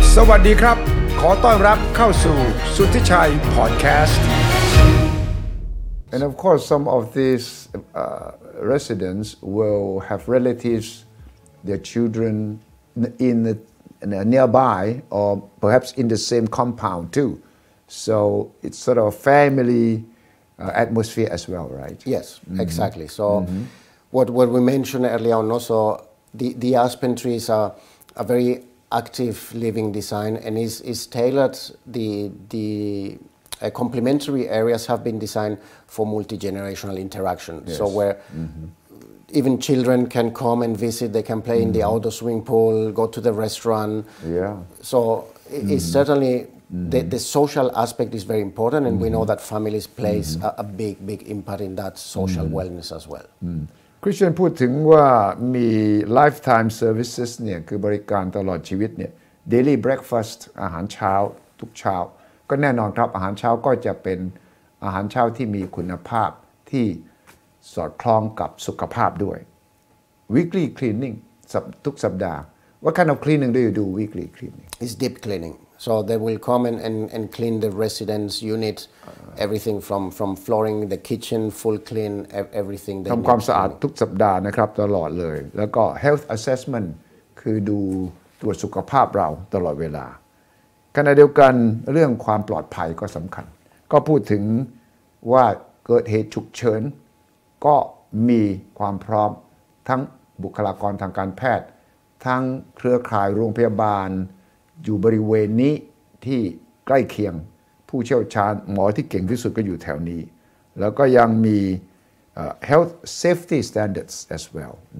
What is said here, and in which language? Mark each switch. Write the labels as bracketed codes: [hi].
[th] วัสดีครับขอต้อนรับเข้าสู่สุทธิชัยพอดแคสต์ [en] And of course some of these residents will have relatives their children in the nearby or perhaps in the same compound too so it's sort of familyatmosphere as well, right? Yes, exactly. Mm-hmm. So what we mentioned earlier on also, the Aspen trees are a very active living design and is tailored, the complementary areas have been designed for multi-generational interaction. Yes. So where mm-hmm. even children can come and visit, they can play mm-hmm. in the outdoor swimming pool, go to the restaurant. Yeah. So mm-hmm. it's certainly... Mm-hmm. The social aspect is very important, and mm-hmm. we know that families play mm-hmm. a big, big impact in that social mm-hmm. wellness as well. Mm-hmm. [th] Christian พูดถึงว่ามี [en] lifetime services [th] เนี่ยคือบริการตลอดชีวิตเนี่ย [en] daily breakfast [th] อาหารเช้าทุกเช้าก็แน่นอนครับอาหารเช้าก็จะเป็นอาหารเช้าที่มีคุณภาพที่สอดคล้องกับสุขภาพด้วย [en] weekly cleaning [th] ทุกสัปดาห์ [en] What kind of cleaning do you do weekly cleaning? It's deep cleaning. So they will come and clean the residence unit, everything from flooring, the kitchen, full clean, everything. [th] ทำความสะอาดทุกสัปดาห์นะครับตลอดเลยแล้วก็ [en] health assessment [th] คือดูตรวจสุขภาพเราตลอดเวลา ขณะเดียวกันเรื่องความปลอดภัยก็สำคัญก็พูดถึงว่าเกิดเหตุฉุกเฉินก็มีความพร้อมทั้งบุคลากรทางการแพทย์ทั้งเครือข่ายโรงพยาบาลอยู่บริเวณนี้ที่ใกล้เคียงผู้เชี่ยวชาญหมอที่เก่งที่สุดก็อยู่แถวนี้แล้วก็ยังมี [en] health safety standards as well